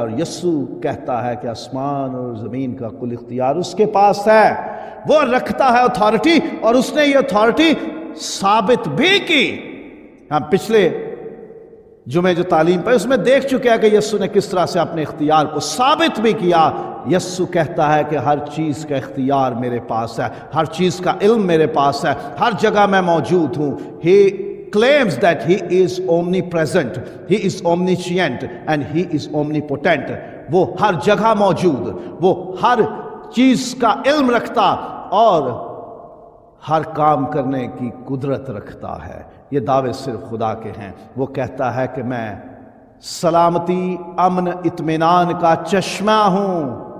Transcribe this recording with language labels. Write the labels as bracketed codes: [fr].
[ur] اور یسوع کہتا ہے کہ آسمان اور زمین کا کل اختیار اس کے پاس ہے، وہ رکھتا ہے اتھارٹی، اور اس نے یہ اتھارٹی ثابت بھی کی. ہم پچھلے جمعے جو تعلیم پہ اس میں دیکھ چکے ہیں کہ یسوع نے کس طرح سے اپنے اختیار کو ثابت بھی کیا. یسوع کہتا ہے کہ ہر چیز کا اختیار میرے پاس ہے، ہر چیز کا علم میرے پاس ہے، ہر جگہ میں موجود ہوں. [en] He claims that he is omnipresent, he is omniscient and he is omnipotent. [ur] وہ ہر جگہ موجود، وہ ہر چیز کا علم رکھتا اور ہر کام کرنے کی قدرت رکھتا ہے. یہ دعوے صرف خدا کے ہیں. وہ کہتا ہے کہ میں سلامتی، امن، اطمینان کا چشمہ ہوں.